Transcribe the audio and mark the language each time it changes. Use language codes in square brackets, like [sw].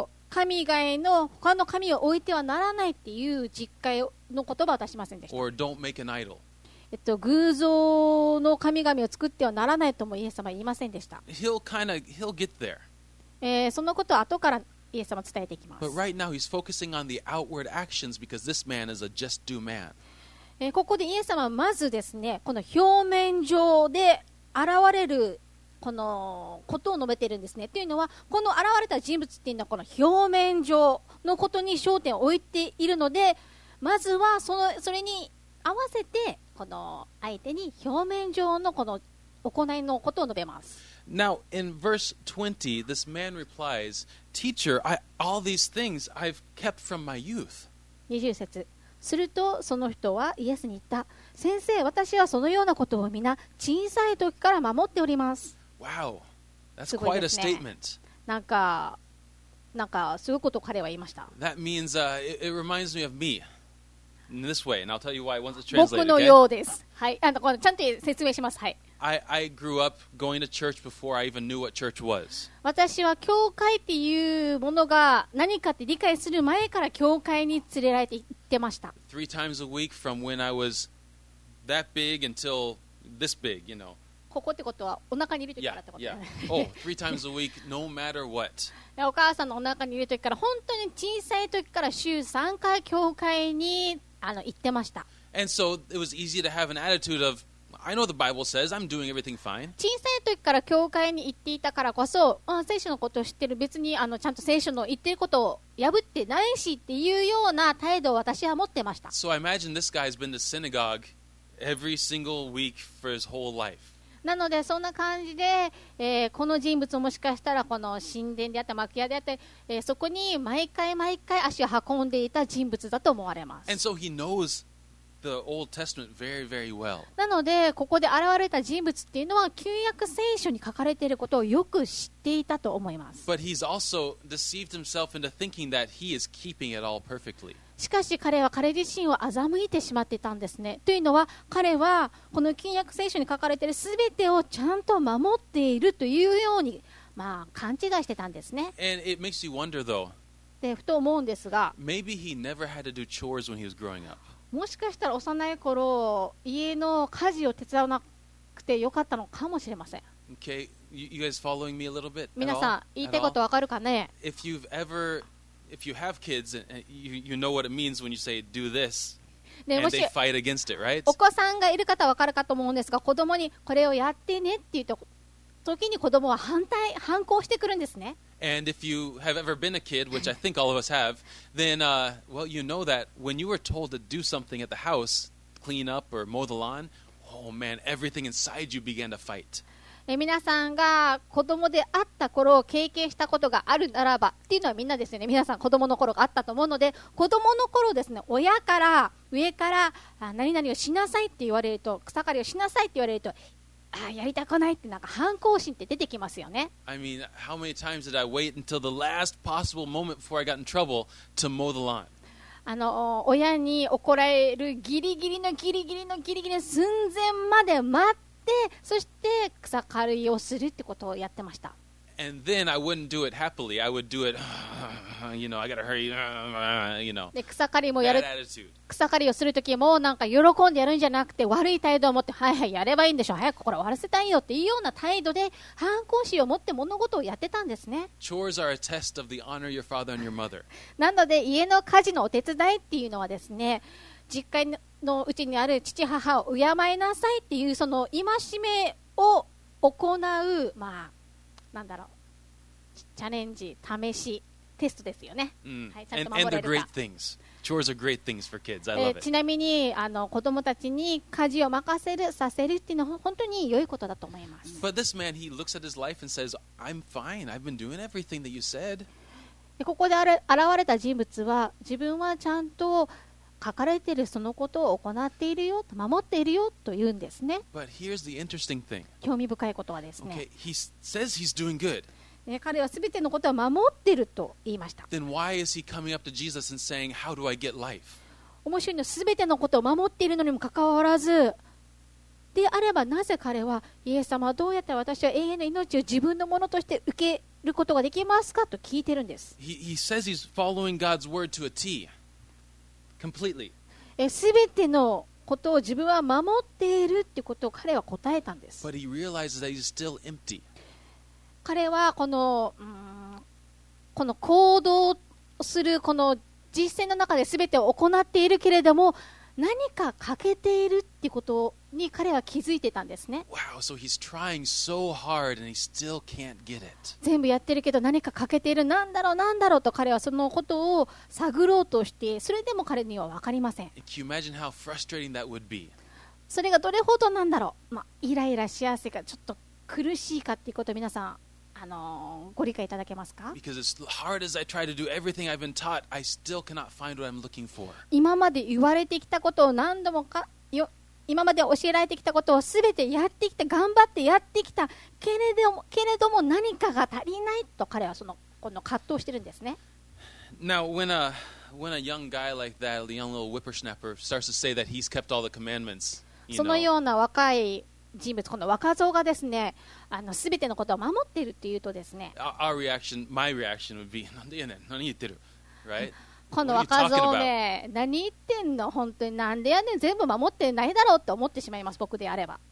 [ja] 神以外の他の神を置いてはならないっていう実戒の言葉は出しませんでした。 [en] Or don't make an idol. [ja] 偶像の神々を作ってはならないともイエス様は言いませんでした。 [en] He'll get there. [ja] そのことは後からイエス様は伝えていきます。 [en] But right now he's focusing on the outward actions because this man is a just do man. [ja] ここでイエス様はまずですね、この表面上で現れるこのことを述べているんですね。というのは、この現れた人物っていうのはこの表面上のことに焦点を置いているので、まずはそれに合わせてこの相手に表面上のこの行いのことを述べます。 [en] Now, in verse 20, this man replies, Teacher, all these things I've kept from my youth. [ja] 20節。するとその人はイエスに言った。先生、私はそのようなことを皆小さい時から守っております。 [en] Wow, that's quite a statement. [ja] なんかすごいことを彼は言いました。 [en] That means, it reminds me of me. In this way, and I'll tell you why once it's translated. [ja] 僕のようです。はい、ちゃんと説明します。はい。 [en] I grew up going to church before I even knew what church was. [ja] 私は教会っていうものが何かって理解する前から教会に連れられて行ってました。 [en] Three times a week from when I was that big until this big, you know. [ja] ここってことはお腹にいる時からってことだよね。 [en] Yeah. Oh, three times a week, no matter what. [ja] お母さんのお腹にいる時から、本当に小さい時から週3回教会に行ってました。 [en] And so it was easy to have an attitude ofI know the Bible says I'm doing everything fine. [ja] 小さい時から教会に行っていたからこそ、聖書のことを知ってる、別にちゃんと聖書の言ってることを破ってないしっていうような態度を私は持ってました。 [en] So I imagine this guy has been to synagogue every single week for his whole life. [ja] なのでそんな感じで、この人物もしかしたらこの神殿であった幕屋であった、そこに毎回毎回足を運んでいた人物だと思われます。 [en] And so he knowsThe Old Testament very, very well. [ja] なのでここで現れた人物っていうのは旧約聖書に書かれていることをよく知っていたと思います。 [en] But he's also deceived himself into thinking that he is keeping it all perfectly. [ja] しかし彼は彼自身を欺いてしまっていたんですね。というのは彼はこの旧約聖書に書かれている全てをちゃんと守っているというように勘違いしてたんですね。 [en] And it makes you wonder though. [ja] でふと思うんですが、 [en] Maybe he never had to do chores when he was growing up. [ja] もしかしたら幼い頃家の家事を手伝わなくてよかったのかもしれません。 [en] Okay. You guys following me a little bit? [ja] 皆さん言いたいことわかるかね。 [en] If you've ever, if you have kids, you know what it means when you say do this, and they fight against it, right? [ja] お子さんがいる方はわかるかと思うんですが、子供にこれをやってねっていうと時に子供は反抗してくるんですね。 [en] And if you have ever been a kid, which I think all of us have, then, well, you know that when you were told to do something at the house, clean up or mow the lawn, oh man, everything inside you began to fight. [ja] 皆さんが子供であった頃を経験したことがあるならばっていうのはみんなですよね。皆さん子供の頃があったと思うので、子供の頃ですね、親から上から何々をしなさいって言われると、草刈りをしなさいって言われると、ああやりたくないってなんか反抗心って出てきますよね。 [en] I mean, how many times did I wait until the last possible moment before I got in trouble to mow the lawn? [ja] 親に怒られるギリギリのギリギリのギリギリの寸前まで待って、そして草刈りをするってことをやってました。 [en] And then I wouldn't do it happily. I would do it, you know, I gotta hurry, you know. [ja] で草刈りもやる。 [en] Bad attitude. [ja] 草刈りをするときもなんか喜んでやるんじゃなくて悪い態度を持って、はいはいやればいいんでしょ、早くこれ終わらせたいよっていうような態度で反抗心を持って物事をやってたんですね。 [en] Chores are a test of the honor your father and your mother. [ja] なので家の家事のお手伝いっていうのはですね、実家のうちにある父母を敬いなさいっていうその戒めを行う、なんだろう、チャレンジ、試し、テストですよね。はい、ちゃんと守れるか。 [en] Chores are great things for kids. I love it. [ja] ちなみに子供たちに家事を任せる、させるっていうのは本当に良いことだと思います。 [en] But this man, he looks at his life and says, I'm fine. I've been doing everything that you said. [ja] ここで現れた人物は、自分はちゃんと書かれているそのことを行っているよ、守っているよと言うんですね。 [en] But here's the interesting thing. [ja] 興味深いことはですね。 [en] Okay, he says he's doing good. [ja] 彼は全てのことは守ってると言いました。 [en] Then why is he coming up to Jesus and saying, How do I get life? [ja] 面白いの、全てのことを守っているのにもかかわらず、であればなぜ彼はイエス様どうやって私は永遠の命を自分のものとして受けることができますかと聞いてるんです。 [en] he says he's following God's word to a T. Completely. [ja] すべてのことを自分は守っているってことを彼は答えたんです。 [en] But he realizes that he's still empty. [ja] 彼はこの行動するこの実践の中ですべてを行っているけれども何か欠けているってことに彼は気づいてたんですね。 [en] Wow, so he's trying so hard and he still can't get it. [ja] 全部やってるけど何か欠けている、なんだろうなんだろうと彼はそのことを探ろうとして、それでも彼には分かりません。 [en] Can you imagine how frustrating that would be? [ja] それがどれほどなんだろう、まあ、イライラしやすいかちょっと苦しいかっていうことを皆さんご理解いただけますか。 [en] Because as hard as I try to do everything I've been taught, I still cannot find what I'm looking for. [ja] 今まで言われてきたことを何度もか、よ、今まで教えられてきたことを全てやってきた、頑張ってやってきたけれども何かが足りないと彼はこの葛藤してるんですね。 [en] Now, when a young guy like that, the young little whippersnapper, starts to say that he's kept all the commandments, you know. [ja] そのような若い人物、この若造がですね、全てのことを守っているというとですね、 [en] Our reaction, my reaction would be, [ja] 何でやねん、何言ってる、 [en] right? [ja] この若造ね、何言ってんの、本当に何でやねん、全部守ってないだろうと思ってしまいます、僕であれば。